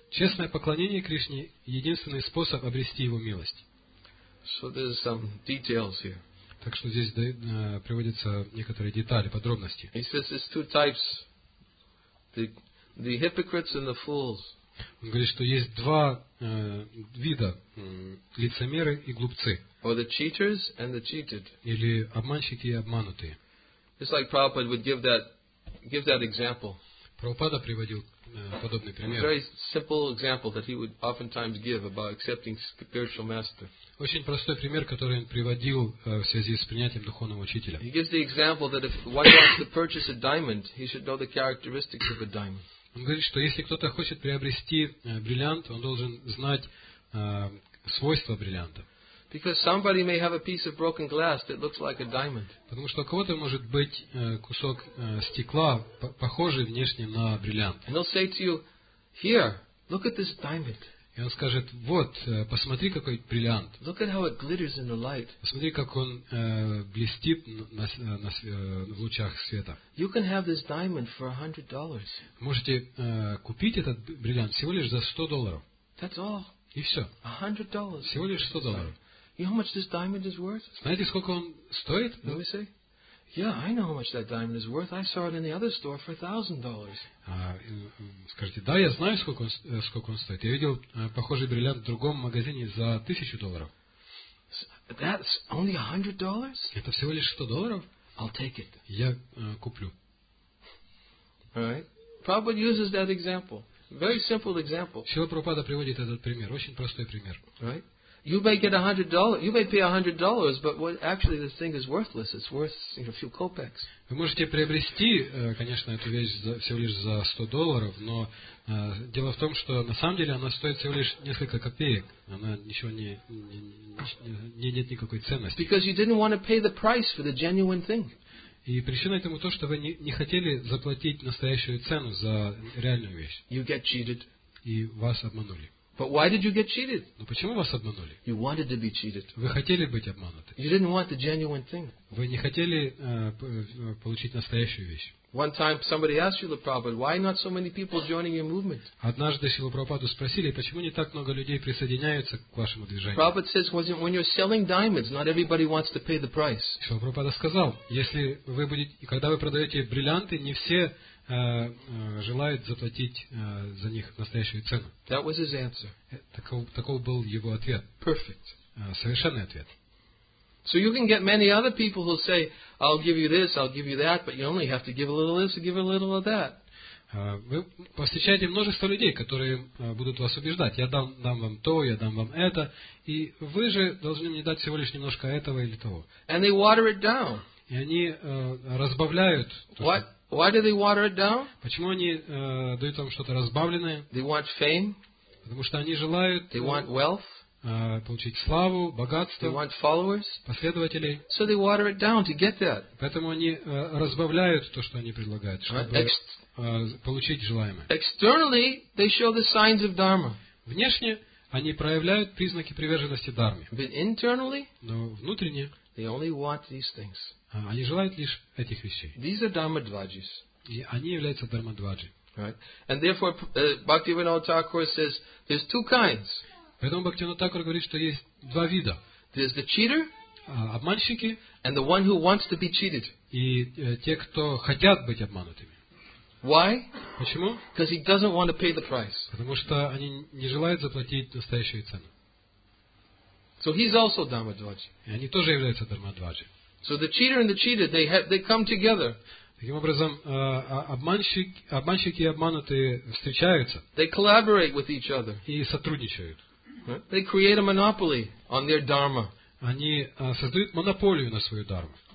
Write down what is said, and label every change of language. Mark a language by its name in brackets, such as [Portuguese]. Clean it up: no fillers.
[Russian] Честное поклонение Кришне единственный способ обрести его милость. [English] So there's some details here. [Russian] Так что здесь приводятся некоторые детали, подробности. [English] He says there's two types: the hypocrites and the fools. [Russian] Он говорит, что есть два вида: лицемеры и глупцы. [English] Or the cheaters and the cheated. [Russian] Или обманщики и обманутые. [English] It's like Prabhupada would give that example. [Russian] Прабхупада приводил подобный пример. [English] A very simple example that he would oftentimes give about accepting spiritual master. [Russian] Очень простой пример, который он приводил в связи с принятием духовного учителя. [English] He gives the example that if one wants to purchase a diamond, he should know the characteristics of a diamond. [Russian] Он говорит, что если кто-то хочет приобрести бриллиант, он должен знать свойства бриллианта. [English] Because somebody may have a piece of broken glass that looks like a diamond. [Russian] Потому что у кого-то может быть кусок стекла, похожий внешне на бриллиант. [English] And he'll say to you, "Here, look at this diamond." [Russian] И он скажет: "Вот, посмотри, какой бриллиант." [English] Look at how it glitters in the light. [Russian] Посмотри, как он блестит в лучах света. [English] You can have this diamond for $100. [Russian] Можете купить этот бриллиант всего лишь за $100. [English] That's all. [Russian] И все. [English] $100. [Russian] Всего лишь $100. [English] You know how much this diamond is worth? [Russian] Знаете, сколько он стоит? [English] Let me see. Yeah, I know how much that diamond is worth. I saw it in the other store for $1,000. [Russian] Скажите, да, я знаю, сколько он стоит. Я видел похожий бриллиант в другом магазине за $1,000. [English] That's only $100? [Russian] Это всего лишь $100? [English] I'll take it. [Russian] Я куплю. [English] All right. Prabhupada uses that example. Very simple example. [Russian] Шрила Прабхупада приводит этот пример. Очень простой пример. [English] Right. You may get $100. You may pay $100, but what actually this thing is worthless. It's worth, you know, a few kopecks. [Russian] Вы можете приобрести, конечно, эту вещь всего лишь за $100, но дело в том, что на самом деле она стоит всего лишь несколько копеек. Она ничего не нет никакой ценности. [English] Because you didn't want to pay the price for the genuine thing. [Russian] И причина этому то, что вы не хотели заплатить настоящую цену за реальную вещь. [English] You get cheated. [Russian] И вас обманули. [English] But why did you get cheated? [Russian] Ну почему вас обманули? [English] You wanted to be cheated. [Russian] Вы хотели быть обмануты. [English] You didn't want the genuine thing. [Russian] Вы не хотели получить настоящую вещь. [English] One time somebody asked Srila Prabhupada, why not so many people joining your movement? [Russian] Однажды Шрилу Прабхупаду спросили, почему не так много людей присоединяются к вашему движению. [English] Prabhupada says, when you're selling diamonds, not everybody wants to pay the price. [Russian] Шрила Прабхупада сказал, если вы будете, когда вы продаете бриллианты, не все желает заплатить за них настоящую цену. [English] That was his answer. [Russian] Таков был его ответ. [English] Perfect. [Russian] Совершенный ответ. [English] So you can get many other people who say, I'll give you this, I'll give you that, but you only have to give a little this, give a little of that. [Russian] Вы повстречаете множество людей, которые будут вас убеждать. Я дам вам то, я дам вам это, и вы же должны мне дать всего лишь немножко этого или того. [English] And they water it down. [Russian] И они разбавляют. [English] What? Why do they water it down? [Russian] Почему они дают вам что-то разбавленное? [English] They want fame. [Russian] Потому что они желают. [English] They want wealth. [Russian] Получить славу, богатство. [English] They want followers. [Russian] Последователей. [English] So they water it down to get that. [Russian] Поэтому они разбавляют то, что они предлагают, чтобы получить желаемое. [English] Externally, they show the signs of dharma. [Russian] Внешне они проявляют признаки приверженности дхарме. [English] But internally, [Russian] но внутренне, [English] they only want these things. [Russian] Они желают лишь этих вещей. [English] These are dharmadvajis. [Russian] И они являются дармадваджи. [English] Right. And therefore, Bhaktivinoda Thakur says there's two kinds. [Russian] Поэтому Бхактивинода Тхакур говорит, что есть два вида. [English] There's the cheater. [Russian] Обманщики. [English] And the one who wants to be cheated. [Russian] И те, кто хотят быть обманутыми. [English] Why? [Russian] Почему? [English] Because he doesn't want to pay the price. [Russian] Потому что они не желают заплатить настоящую цену. [English] So he's also dharmadvaji. [Russian] И они тоже являются дармадваджи. [English] So the cheater and the cheated, they come together. [Russian] Таким образом, обманщики и обманутые встречаются. [English] They collaborate with each other. [Russian] И сотрудничают. [English] They create a monopoly on their dharma. [Russian] Они создают монополию на свою дарму.